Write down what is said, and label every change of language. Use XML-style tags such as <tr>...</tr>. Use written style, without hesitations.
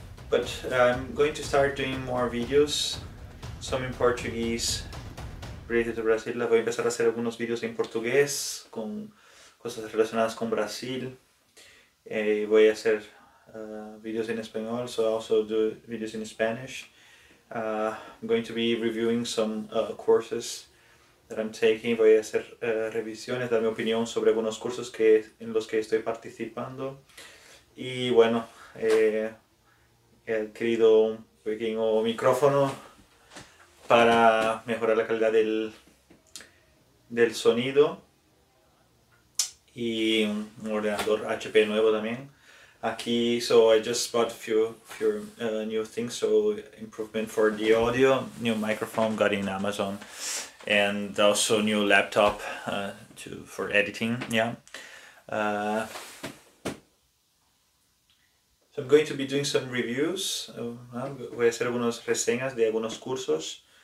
<en>But I'm going to start doing more videos. Some in Portuguese related to Brazil.</en> <es>Voy a empezar a hacer algunos videos en portugués con cosas relacionadas con Brasil. Voy a hacer videos en español,</es> <en>so also do videos in Spanish. I'm going to be reviewing some courses that I'm taking.</en> <es>Voy a hacer revisiones, dar mi opinión sobre algunos cursos en los que estoy participando. Y bueno, he adquirido un pequeño micrófono para mejorar la calidad del sonido y un ordenador HP nuevo también. Aquí,</es> <en>so I just bought a few new things, so improvement for the audio, new microphone got in Amazon, and also new laptop for editing. So I'm going to be doing some reviews.</en> <es>Voy a hacer algunas reseñas de algunos cursos.</es>